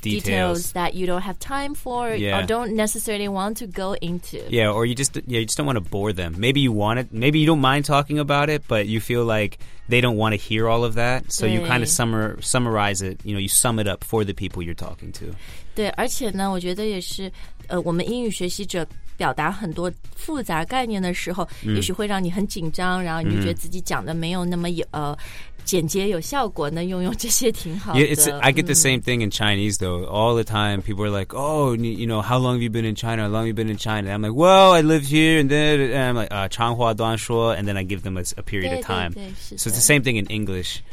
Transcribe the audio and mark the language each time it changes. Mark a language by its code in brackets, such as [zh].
[en] details that you don't have time for、 yeah. or don't necessarily want to go into. Yeah, or you just don't want to bore them. Maybe you want it, maybe you don't mind talking about it, but you feel like,They don't want to hear all of that, so you kind of summarize it, you know, you sum it up for the people you're talking to. [zh] 对，而且呢，我觉得也是，我们英语学习者表达很多复杂概念的时候，也许会让你很紧张，然后你就觉得自己讲的没有那么简洁有效果，那用用这些挺好的。 [en] Yeah, I get the same thing in Chinese, though. All the time, people are like, oh, you know, how long have you been in China? And I'm like, well, I live here. And I'm like, [zh] 长话短说. [en] And then I give them a period of time. [zh] 对对对 [en] so it's the same thing in English.